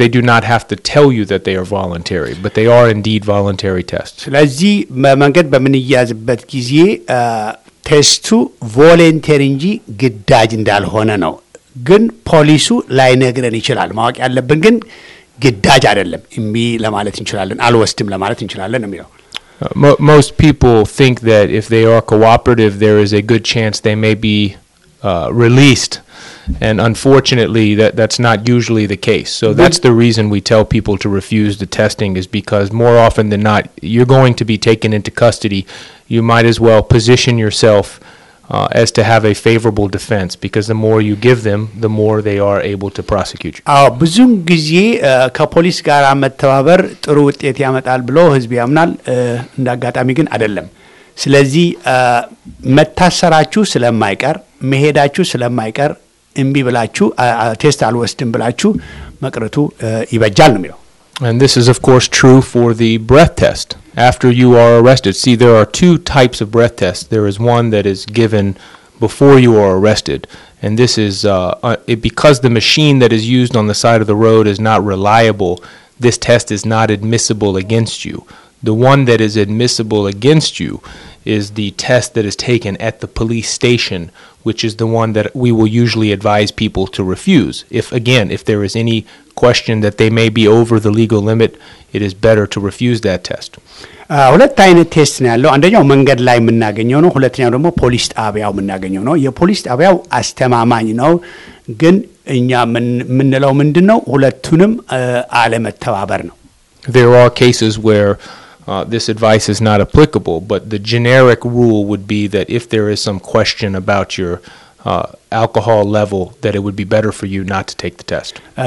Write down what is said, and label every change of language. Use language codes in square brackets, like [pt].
[en] They do not have to tell you that they are voluntary, but they are indeed voluntary tests. [am] ስለዚህ መንገድ በምንያዝበት ጊዜ ቴስቱ ቮለንተሪ እንጂ ግዳጅ እንዳልሆነ ነው። ግን ፖሊሱ ላይነግረን ይችላል ማወቅ ያለብን ግን ግዳጅ አይደለም እሚ ለማለት እንችላለን አልወስድም ለማለት እንችላለን እሚ [en] Most people think that if they are cooperative there is a good chance they may be released and unfortunately that's not usually the case so that's the reason we tell people to refuse the testing is because more often than not you're going to be taken into custody you might as well position yourself as to have a favorable defense because the more you give them the more they are able to prosecute you. [am] አዎ ብዙም ጊዜ ከፖሊስ ጋር መተባበር ጥሩ ውጤት ያመጣል ብሎ ህዝብ ያምናል እንዳጋጣሚ ግን አይደለም። ስለዚህ መታሰራችሁ ስለማይቀር መሄዳችሁ ስለማይቀር እንቢ ብላችሁ ቴስት አልወስድም ብላችሁ መቅረቱ ይበጃል ነው የሚለው። [en] And this is of course true for the breath test. After you are arrested, see there are two types of breath tests. There is one that is given before you are arrested, and this is because the machine that is used on the side of the road is not reliable, this test is not admissible against you. The one that is admissible against you is the test that is taken at the police station, which is the one that we will usually advise people to refuse. If there is any question that they may be over the legal limit, it is better to refuse that test. [am] ሁለት አይነት ቴስት ነው ያለው አንደኛው መንገድ ላይ የምናገኘው ነው ሁለተኛው ደግሞ ፖሊስ ጣቢያው የምናገኘው ነው የፖሊስ ጣቢያው አስተማማኝ ነው ግን እኛ ምንለው ምንድነው ሁለቱንም አለመተባበር ነው [en] There are cases where this advice is not applicable but the generic rule would be that if there is some question about your alcohol level that it would be better for you not to take the test